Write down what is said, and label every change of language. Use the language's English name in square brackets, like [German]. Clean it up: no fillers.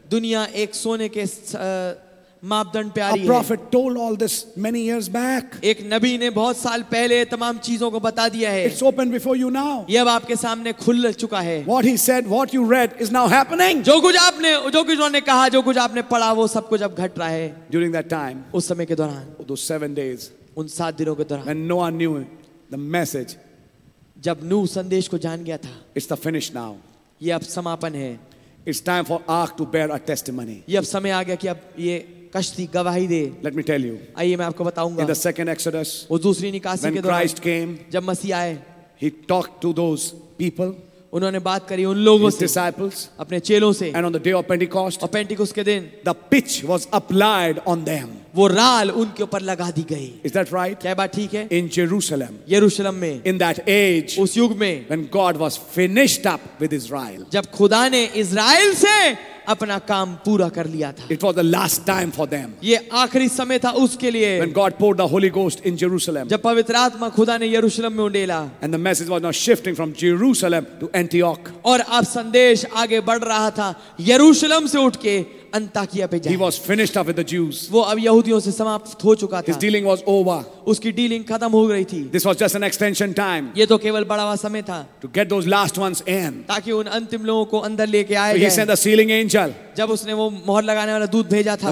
[Hindi] दुनिया एक सोने के मापदंड पे आ रही है. [English] A prophet told all this many years back. [Hindi] एक नबी ने बहुत साल पहले तमाम चीजों को बता दिया है. [English] It's open before you now. [Hindi] ये अब आपके सामने खुल चुका है. [English] What he said, what you read is now happening. [Hindi] जो कुछ उन्होंने कहा, जो कुछ आपने पढ़ा, वो सब कुछ अब घट रहा है. [English] During that time. [Hindi] उस समय के दौरान. [English] Those 7 days. [Hindi] उन 7 दिनों के दौरान. [English] When Noah knew the message. [Hindi] जब नूह संदेश को जान गया था. [English] It's the finish now. [Hindi] ये अब समापन है. [English] It's time for ark to bear a testimony. [Hindi] ये अब समय आ गया कि अब ये कश्ती गवाही दे. [English] Let me tell you. [Hindi] आइए मैं आपको बताऊंगा. [English] In the second Exodus. [Hindi] वो दूसरी निकासी के दौरान. [English] When Christ came. [Hindi] जब मसीह आए. [English] He talked to those people. [Hindi] उन्होंने बात करी उन लोगों से. [English] His disciples. [Hindi] अपने चेलों से. [English] And on the day of Pentecost. [Hindi] और पेंटिकॉस्ट के दिन. [English] The pitch was applied on them. [Hindi] वो राल उनके ऊपर लगा दी गई. [English] Is that right? [Hindi] क्या बात ठीक है? [English] In Jerusalem. [Hindi] यरूशलम में. [English] In that age. [Hindi] उस युग में. [English] When God was finished up with Israel. [Hindi] जब खुदा ने इज़राइल से अपना काम पूरा कर लिया था. [English] It was the last time for them. [Hindi] ये आखिरी समय था उसके लिए. [English] When God poured the Holy Ghost in Jerusalem. [Hindi] जब पवित्र आत्मा खुदा ने यरूशलम में उंडेला. [English] And the message was now shifting from Jerusalem to Antioch. [Hindi] और अब संदेश आगे बढ़ रहा था यरूशलम से उठ के अंताकिया पे जाए. [English] He was finished up with the Jews. [Hindi] वो अब यहूदियों से समाप्त हो चुका था. [English] His dealing was over. [Hindi] उसकी डीलिंग खत्म हो गई थी. [English] This was just an extension time. [Hindi] ये तो केवल बढ़ावा समय था. [English] To get those last ones in. [Hindi] ताकि उन अंतिम लोगों को अंदर लेके आए. [English] So he sent the sealing angel. [Hindi] जब उसने वो मोहर लगाने वाला दूत भेजा था.